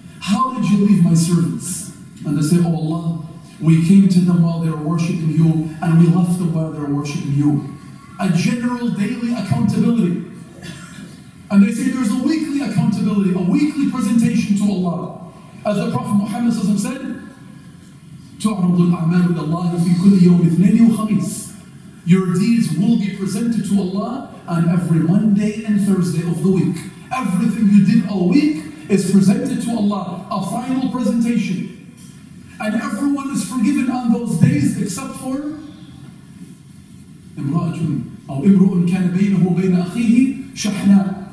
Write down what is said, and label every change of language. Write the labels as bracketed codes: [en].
[en] How did you leave my servants? And they say, oh Allah, we came to them while they were worshipping you, and we left them while they were worshipping you. A general daily accountability. And they say there's a weekly accountability, a weekly presentation to Allah. As the Prophet Muhammad SAW said, [ar] تعرض الأعمال إلى الله في كل يوم اثنين وخميس. [en] Your deeds will be presented to Allah on every Monday and Thursday of the week. Everything you did all week is presented to Allah, a final presentation. And everyone is forgiven on those days except for [ar] امرأة أو امرؤ كان بينه وبين أخيه شحناء.